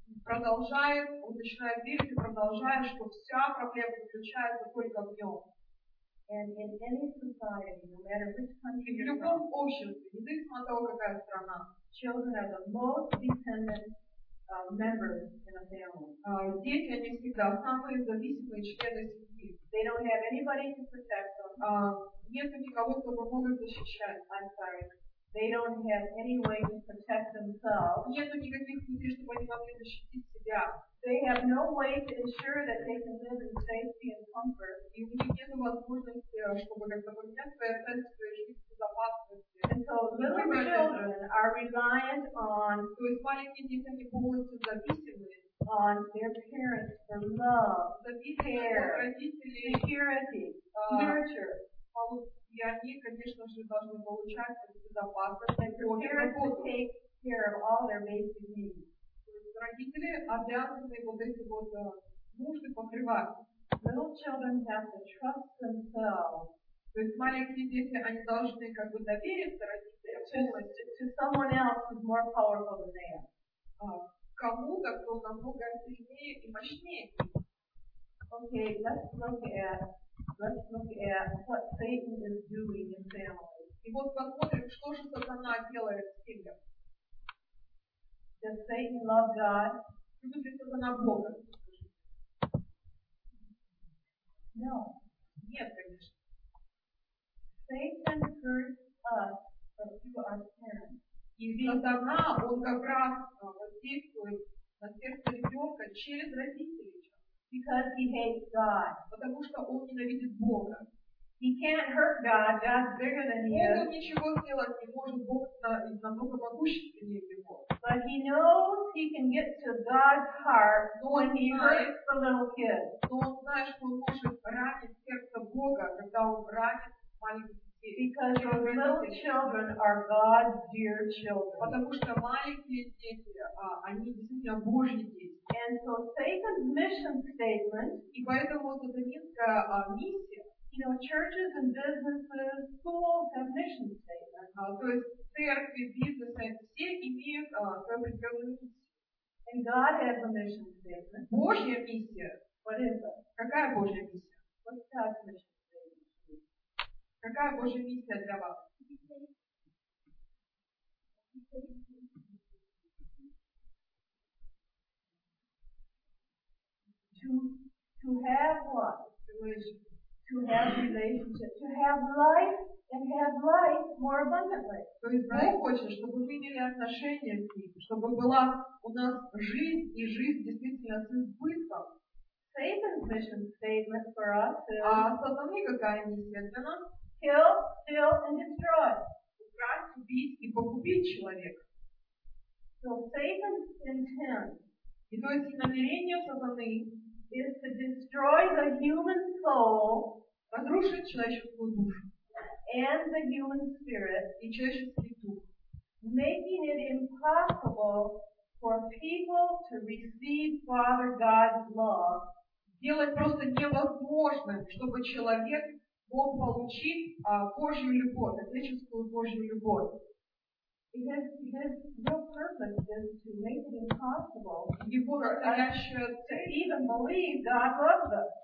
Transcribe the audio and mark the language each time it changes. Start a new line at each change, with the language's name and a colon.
Russian: Ребенок начинает верить, что вся проблема заключается только в нем.
English: And in any society, no matter which country.
Russian: И в любом обществе, независимо от того, какая страна.
English: Children are the most dependent members in a family.
Russian: Дети, они всегда самые зависимые члены семьи.
English: They don't have anybody to protect them.
Russian: Нет никого, кто бы мог их защищать.
English: I'm sorry. They don't have any way to protect themselves.
Russian: Нет никаких путей, чтобы они могли защитить себя.
English: They have no way to ensure that they can live in safety and comfort.
Russian: И у них нет возможности, чтобы как-то поменять свои ценности и жить в безопасности.
English: And so little children are reliant on.
Russian: То есть маленькие дети, они полностью зависимы.
English: On their parents for love, security, nurture.
Russian: И они, конечно же, должны получать безопасность. Родители обязаны вот эти вот нужды покрывать.
English: Little children have to trust themselves.
Russian: То есть маленькие дети, они должны как бы довериться родителям полностью.
English: To someone else who's more powerful than they are.
Russian: Кому-то, кто намного сильнее и мощнее.
English: Okay, let's look at what Satan is doing in families.
Russian: И вот посмотрим, что же сатана делает в семьях.
English: Does Satan love God?
Russian: Любит ли сатана Бога?
English: No.
Russian: Нет, конечно.
English: Satan hurts us, but you are parents.
Russian: И сатана, он как раз воздействует на сердце ребенка через родителей.
English: Because he hates God.
Russian: Потому что он ненавидит Бога.
English: He can't hurt God. God's bigger than he is.
Russian: Он ничего сделать не может. Бог намного могущественнее его.
English: But he knows he can get to God's heart when he hurts the little kid.
Russian: Но он знает, что он может ранить сердце Бога, когда он ранит маленьких детей.
English: Because your little children are God's dear children.
Russian: Потому что маленькие дети, они действительно Божьи дети.
English: And so Satan's mission statement.
Russian: И поэтому вот эта низкая миссия.
English: You know, churches and businesses, schools have mission statements.
Russian: То есть церкви, бизнесы, все имеют свою определенную миссию.
English: And God has a mission statement.
Russian: Божья миссия.
English: What is it?
Russian: Какая Божья миссия?
English: What's God's mission statement?
Russian: Какая Божья миссия для вас?
English: To have what? To have relationships. To have life and have life more abundantly.
Russian: То есть Бог хочет, чтобы мы имели отношения с Ним, чтобы была у нас жизнь и жизнь действительно с избытком.
English: Satan's mission statement for us is.
Russian: А сатане какая миссия для нас?
English: Kill, steal and destroy.
Russian: Украсть, убить и погубить человека.
English: So Satan's intent.
Russian: И то есть намерение сатаны.
English: Is to destroy the human soul,
Russian: разрушить человеческую душу,
English: and the human spirit,
Russian: и человеческий дух,
English: making it impossible for people to receive Father God's love,
Russian: делать просто невозможным, чтобы человек мог получить Божью любовь, отеческую Божью любовь.
English: His real purpose is to make it impossible for us to even believe God loves us.